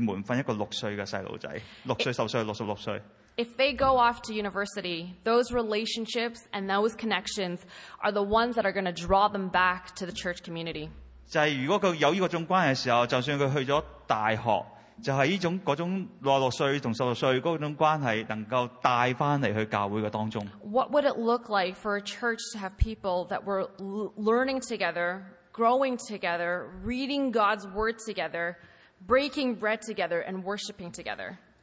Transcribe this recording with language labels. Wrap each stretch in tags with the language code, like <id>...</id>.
<zh>你想象一下一个16岁和一个66岁一个个人的关系一起去门训一个6岁的小孩子,6岁,10岁,66岁。</zh> <en>If they go off to university, those relationships and those connections are the ones that are going to draw them back to the church community.</en> <zh>就是如果他有这种关系的时候,就算他去了大学,就是这种,那种66岁和16岁的关系能够带回去教会的当中。</zh> <en>What would it look like for a church to have people that were learning together, growing together, reading God's word together, breaking bread together, and worshiping together?</en>